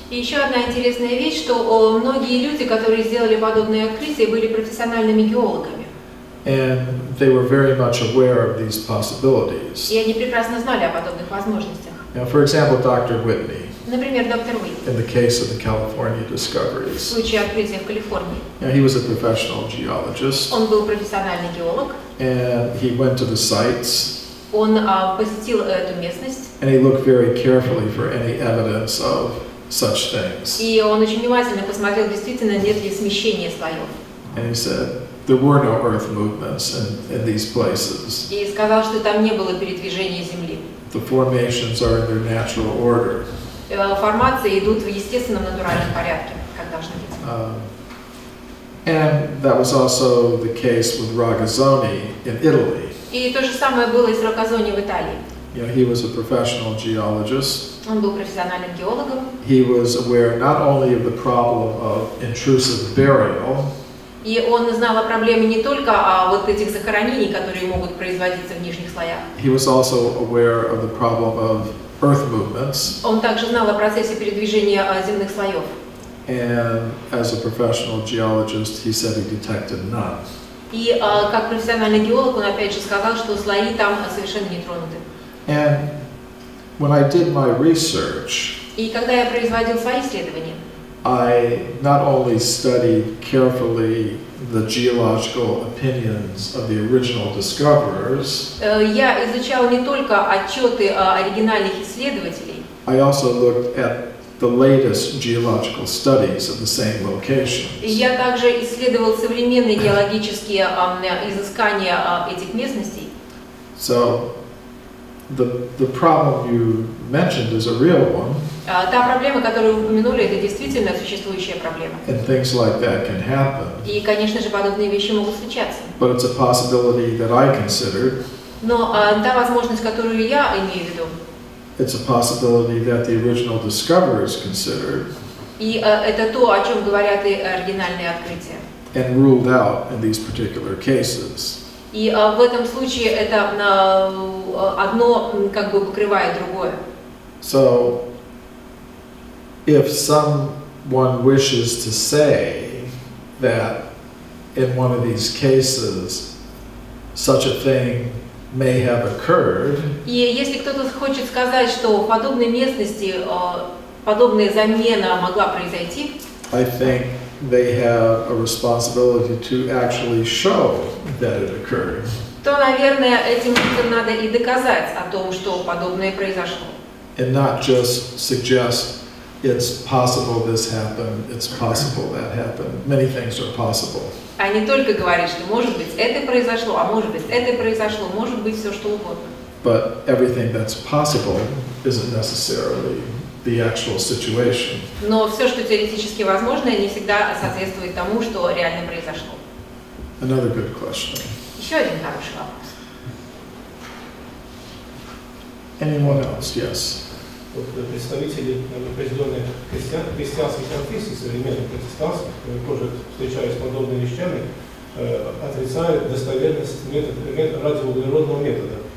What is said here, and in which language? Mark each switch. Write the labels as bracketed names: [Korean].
[Russian] И еще одна интересная вещь, что многие люди, которые сделали подобные открытия, были профессиональными геологами. [English] And they were very much aware of these possibilities. [Russian] И они прекрасно знали о подобных возможностях. [English] Now, for example, Dr. Whitney. [Russian] Например, доктор Уитни. [English] In the case of the California discoveries. [Russian] В случае открытия в Калифорнии. [English] Now, he was a professional geologist. [Russian] Он был профессиональный геолог. [English] And he went to the sites. [Russian] Он посетил эту местность. [English] And he looked very carefully for any evidence of such things. [Russian] И он очень внимательно посмотрел, действительно, нет ли смещения слоев. [English] And he said, there were no earth movements in these places. [Russian] И сказал, что там не было передвижения земли. [English] The formations are in their natural order. [Russian] Формации идут в естественном натуральном порядке, как должны быть. [English] And that was also the case with Ragazzoni in Italy. [Russian] И то же самое было и с Рогазони в Италии. [English] You know, he was a professional geologist. [Russian] Он был профессиональным геологом. [English] He was aware not only of the problem of intrusive burial. [Russian] И он знал о проблеме не только вот этих захоронений, которые могут производиться в нижних слоях. [English] He was also aware of the problem of earth movements. [Russian] Он также знал о процессе передвижения земных слоев. [English] And as a professional geologist, he said he detected none. [Russian] И как профессиональный геолог, он опять же сказал, что слои там совершенно не тронуты. [English] And when I did my research, [Russian] и когда я производил свои исследования, [English] I not only studied carefully the geological opinions of the original discoverers, [Russian] я изучал не только отчеты оригинальных исследователей, [English] I also looked at the latest geological studies of the same locations. [Russian] Я также исследовал современные геологические изыскания этих местностей. [English] So, the problem you mentioned is a real one. [Russian] Та проблема, которую вы упомянули, это действительно существующая проблема. [English] And things like that can happen. [Russian] И, конечно же, подобные вещи могут случаться. [English] But it's a possibility that I considered. [Russian] Но та возможность, которую я имею в виду. [English] It's a possibility that the original discoverers considered. [Russian] И это то, о чем говорят и оригинальные открытия. [English] And ruled out in these particular cases. [Russian] И в этом случае это одно как бы покрывает другое. [English] So, if someone wishes to say that in one of these cases such a thing may have occurred, [Russian] и если кто-то хочет сказать, что в подобной местности подобная замена могла произойти, [English] I think they have a responsibility to actually show that it occurred. [Russian] То, наверное, этим людям надо и доказать о том, что подобное произошло. [English] And not just suggest it's possible this happened, it's possible that happened. Many things are possible. [Russian] А не только говорить, что может быть это произошло, а может быть это произошло, может быть все что угодно. [English] But everything that's possible isn't necessarily the actual situation. [Russian] Но все, что теоретически возможно, не всегда соответствует тому, что реально произошло. [English] Another good question. [Russian] Еще один хороший вопрос. [English] Anyone else? Yes. [Russian] Вот представители определенных христианских конфессий, современных протестантских, тоже встречаясь с подобными вещами, отрицают достоверность метода радиоуглеродного метода.